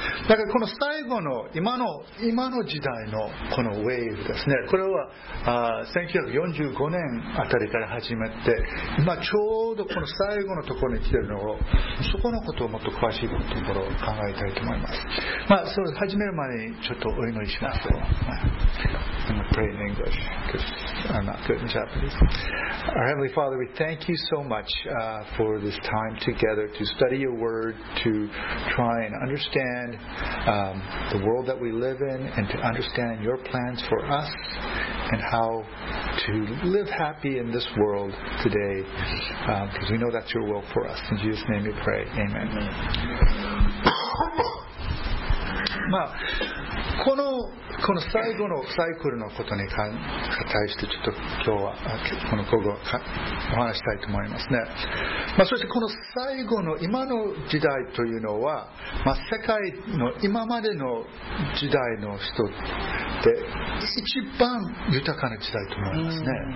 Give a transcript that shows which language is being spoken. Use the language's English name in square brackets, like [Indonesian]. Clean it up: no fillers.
[Japanese] だからこの最後の今の時代のこのウェーブですね、これは1945年あたりから始まって、今ちょうどこの最後のところに来ているのを、そこのことをもっと詳しいところを考えたいと思います。まあ、それ始める前にちょっとお祈りしますと。 [English] I'm praying in English because I'm not good in Japanese. Our Heavenly Father, we thank you so much for this time together to study your word, to try and understand the world that we live in, and to understand your plans for us and how to live happy in this world today, because we know that's your will for us. In Jesus' name we pray. Amen. [Japanese] まあ、この最後のサイクルのことに関してちょっと今日はこの午後お話したいと思いますね。まあ、そしてこの最後の今の時代というのは、まあ、世界の今までの時代の人で一番豊かな時代と思いますね。